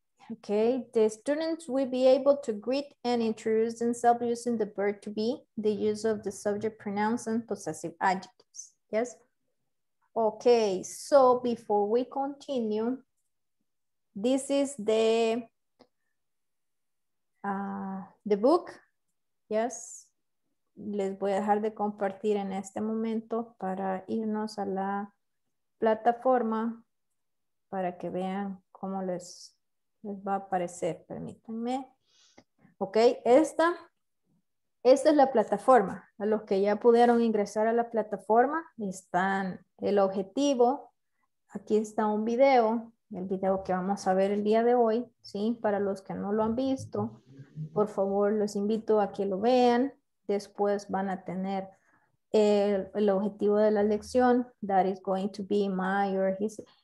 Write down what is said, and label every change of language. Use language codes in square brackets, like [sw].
[en] Ok, the students will be able to greet and introduce themselves using the verb to be, the use of the subject pronouns and possessive adjectives. Yes? Okay, so before we continue, this is the book. [es] Yes, les voy a dejar de compartir en este momento para irnos a la plataforma para que vean cómo les va a aparecer. Permítanme. Okay, esta es la plataforma. A los que ya pudieron ingresar a la plataforma, están el objetivo. Aquí está un video, el video que vamos a ver el día de hoy, ¿sí? Para los que no lo han visto, por favor, los invito a que lo vean. Después van a tener el objetivo de la lección. [en] That is going to be my or his.